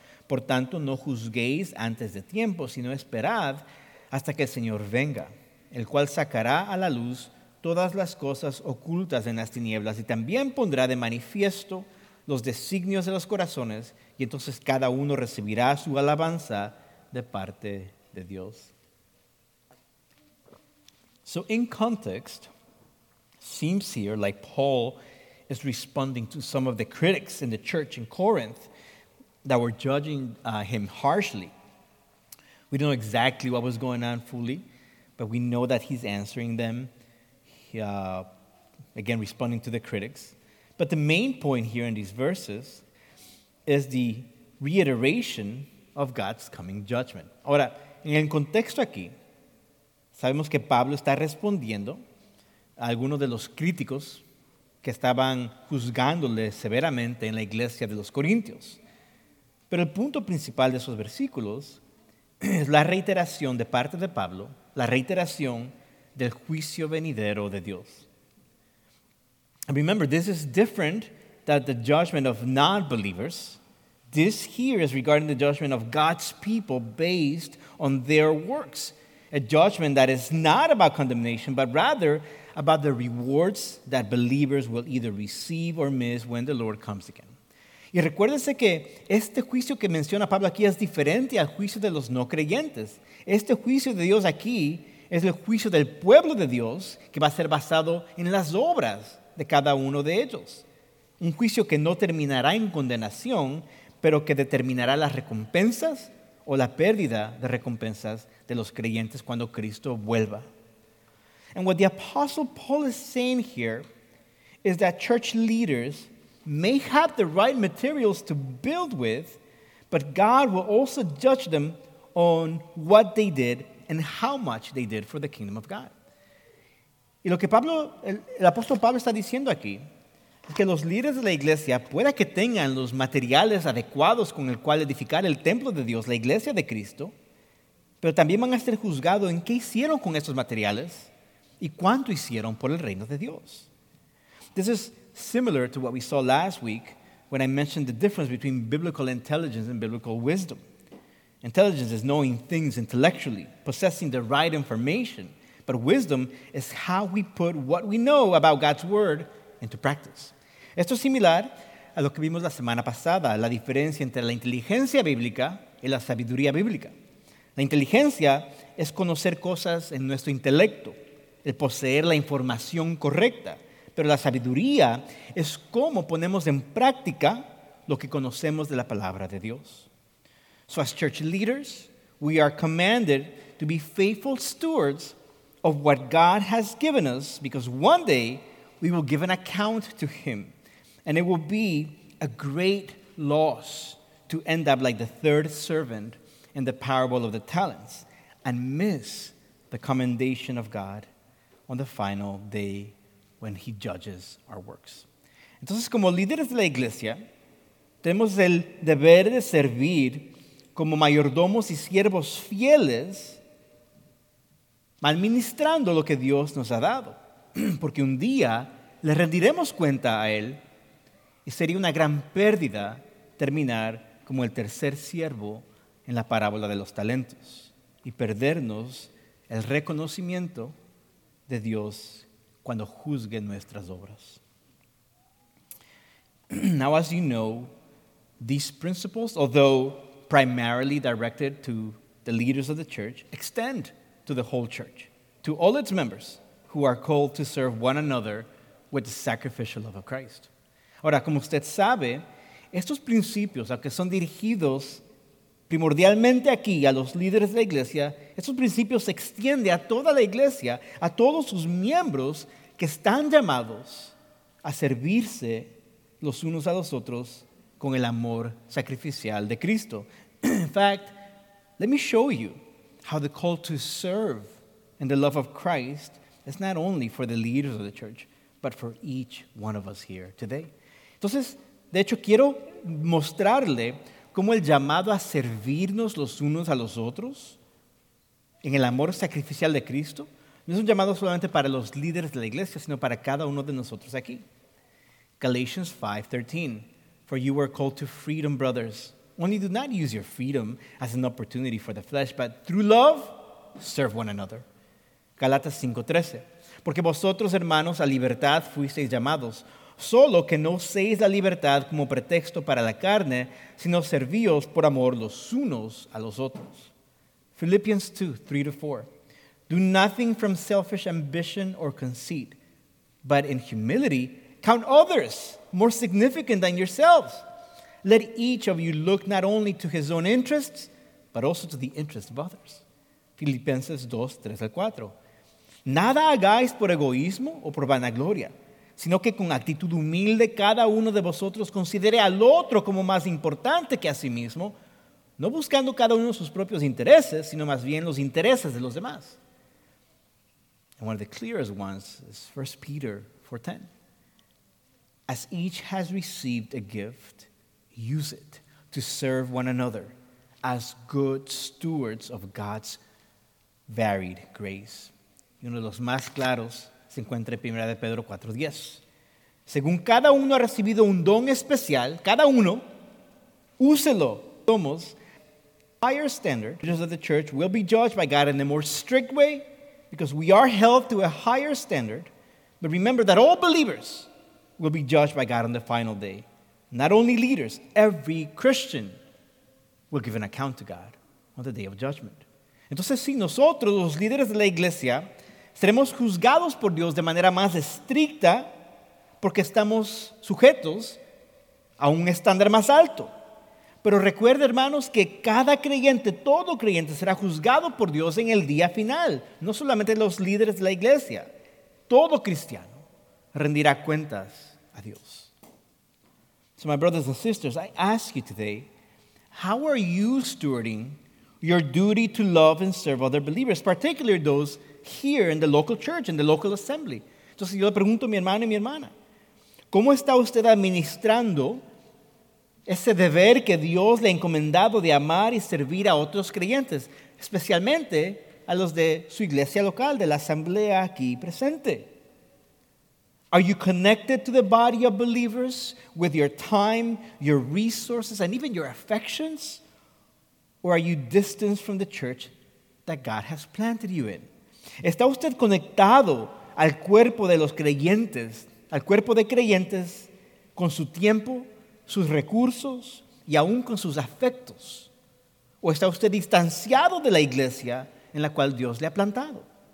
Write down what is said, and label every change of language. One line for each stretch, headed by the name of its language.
Spanish: Por tanto, no juzguéis antes de tiempo, sino esperad hasta que el Señor venga, el cual sacará a la luz todas las cosas ocultas en las tinieblas y también pondrá de manifiesto los designios de los corazones y entonces cada uno recibirá su alabanza de parte de Dios.
English: So in context, seems here like Paul is responding to some of the critics in the church in Corinth that were judging him harshly. We don't know exactly what was going on fully, but we know that he's answering them, again, responding to the critics. But the main point here in these verses is the reiteration of God's coming judgment.
Spanish: Ahora, en el contexto aquí, sabemos que Pablo está respondiendo a algunos de los críticos que estaban juzgándole severamente en la iglesia de los Corintios. Pero el punto principal de esos versículos es la reiteración de parte de Pablo, la reiteración del juicio venidero de Dios.
English: And remember, this is different than the judgment of non-believers. This here is regarding the judgment of God's people based on their works. A judgment that is not about condemnation, but rather about the rewards that believers will either receive or miss when the Lord comes again.
Spanish: Y recuérdese que este juicio que menciona Pablo aquí es diferente al juicio de los no creyentes. Este juicio de Dios aquí es el juicio del pueblo de Dios que va a ser basado en las obras de cada uno de ellos. Un juicio que no terminará en condenación, pero que determinará las recompensas o la pérdida de recompensas de los creyentes cuando Cristo vuelva.
English: And what the Apostle Paul is saying here is that church leaders may have the right materials to build with, but God will also judge them on what they did and how much they did for the kingdom of God.
Spanish: Y lo que el apóstol Pablo está diciendo aquí es que los líderes de la iglesia pueda que tengan los materiales adecuados con el cual edificar el templo de Dios, la iglesia de Cristo, pero también van a ser juzgados en qué hicieron con esos materiales y cuánto hicieron por el reino de Dios.
English: This is similar to what we saw last week when I mentioned the difference between biblical intelligence and biblical wisdom. Intelligence is knowing things intellectually, possessing the right information. But wisdom is how we put what we know about God's word into practice.
Spanish: Esto es similar a lo que vimos la semana pasada, la diferencia entre la inteligencia bíblica y la sabiduría bíblica. La inteligencia es conocer cosas en nuestro intelecto, el poseer la información correcta. Pero la sabiduría es cómo ponemos en práctica lo que conocemos de la palabra de Dios.
English: So as church leaders, we are commanded to be faithful stewards of what God has given us, because one day we will give an account to him. And it will be a great loss to end up like the third servant in the parable of the talents and miss the commendation of God on the final day when he judges our works.
Spanish: Entonces, como líderes de la iglesia, tenemos el deber de servir como mayordomos y siervos fieles, administrando lo que Dios nos ha dado. Porque un día le rendiremos cuenta a él y sería una gran pérdida terminar como el tercer siervo en la parábola de los talentos y perdernos el reconocimiento de Dios cuando juzgue nuestras obras.
English: Now, as you know, these principles, although primarily directed to the leaders of the church, extend to the whole church, to all its members who are called to serve one another with the sacrificial love of Christ.
Spanish: Ahora, como usted sabe, estos principios, aunque son dirigidos primordialmente aquí a los líderes de la iglesia, estos principios se extienden a toda la iglesia, a todos sus miembros que están llamados a servirse los unos a los otros con el amor sacrificial de Cristo.
English: In fact, let me show you how the call to serve in the love of Christ is not only for the leaders of the church, but for each one of us here today.
Spanish: Entonces, de hecho, quiero mostrarle cómo el llamado a servirnos los unos a los otros en el amor sacrificial de Cristo no es un llamado solamente para los líderes de la iglesia, sino para cada uno de nosotros aquí.
English: Galatians 5:13, for you were called to freedom, brothers. Only do not use your freedom as an opportunity for the flesh, but through love, serve one another.
Spanish: Galatas 5:13, porque vosotros, hermanos, a libertad fuisteis llamados, solo que no uséis la libertad como pretexto para la carne, sino servíos por amor los unos a los otros.
English: Philippians 2:3-4, do nothing from selfish ambition or conceit, but in humility count others more significant than yourselves. Let each of you look not only to his own interests, but also to the interests of others.
Spanish: Filipenses 2:3-4. Nada hagáis por egoísmo o por vanagloria, sino que con actitud humilde cada uno de vosotros considere al otro como más importante que a sí mismo, no buscando cada uno sus propios intereses, sino más bien los intereses de los demás.
English: And one of the clearest ones is 1 Peter 4:10. As each has received a gift, use it to serve one another as good stewards of God's varied grace.
Spanish: Y uno de los más claros se encuentra en 1 Pedro 4:10. Según cada uno ha recibido un don especial, cada uno, úselo. Somos
English: higher standard. Leaders of the church will be judged by God in a more strict way, because we are held to a higher standard. But remember that all believers will be judged by God on the final day. Not only leaders, every Christian will give an account to God on the day of judgment.
Spanish: Entonces, sí, nosotros, los líderes de la iglesia, seremos juzgados por Dios de manera más estricta porque estamos sujetos a un estándar más alto. Pero recuerde, hermanos, que cada creyente, todo creyente, será juzgado por Dios en el día final. No solamente los líderes de la iglesia. Todo cristiano rendirá cuentas a Dios.
English: So my brothers and sisters, I ask you today, how are you stewarding your duty to love and serve other believers, particularly those here in the local church, in the local assembly?
Spanish: Entonces yo le pregunto a mi hermano y mi hermana, ¿cómo está usted administrando ese deber que Dios le ha encomendado de amar y servir a otros creyentes, especialmente a los de su iglesia local, de la asamblea aquí presente.
English: Are you connected to the body of believers with your time, your resources, and even your affections? Or are you distanced from the church that God has planted you in?
Spanish: ¿Está usted conectado al cuerpo de los creyentes, al cuerpo de creyentes, con su tiempo, sus recursos y aún con sus afectos? ¿O está usted distanciado de la iglesia en la cual Dios le ha plantado?